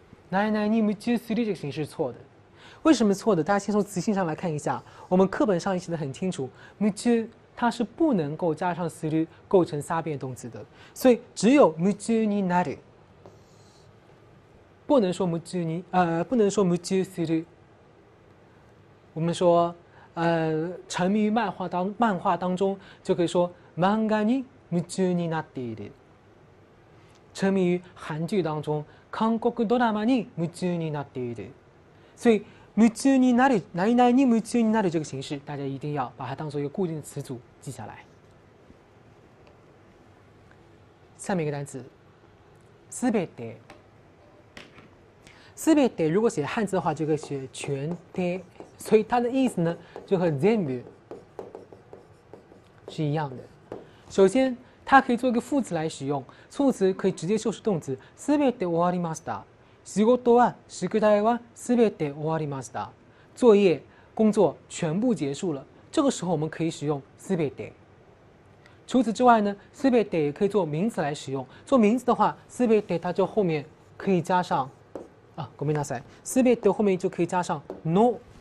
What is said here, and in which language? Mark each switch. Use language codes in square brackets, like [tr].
[zh] 奶奶你们就随这个形式是错的。为什么错的？大家先从词性上来看一下，我们课本上写的很清楚，夢中它是不能够加上する构成三变动词的，所以只有夢中になる，不能说夢中に，不能说夢中する。我们说沉迷于漫画当中就可以说 [ja] 漫画に夢中になっている。 [zh] 沉迷于韩剧当中， [ja] 韩国ドラマに夢中になっている。 [zh] 所以夢中になる、何々に夢中になる这个形式，大家一定要把它当作一个固定的词组记下来。下面一个单词，すべて。すべて如果写汉字的话，就可以写全体，所以它的意思呢，就和全部是一样的。首先，它可以做一个副词来使用，副词可以直接修饰动词。 [ja] すべて終わりました。仕事は宿題はすべて終わりました。 [zh] 作业、工作全部结束了。这个时候我们可以使用すべて。除此之外呢，すべて也可以做名词来使用。做名词的话，すべて它就后面可以加上啊， [ja] ごめんなさい。 [zh] すべて后面就可以加上の。